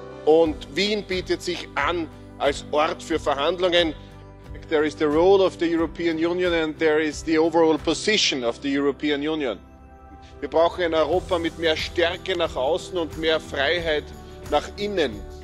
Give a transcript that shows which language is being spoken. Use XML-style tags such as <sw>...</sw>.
<de>Und Wien bietet sich an als Ort für Verhandlungen.</de> <en>There is the role of the European Union and there is the overall position of the European Union.</en> <de>Wir brauchen ein Europa mit mehr Stärke nach außen und mehr Freiheit nach innen.</de>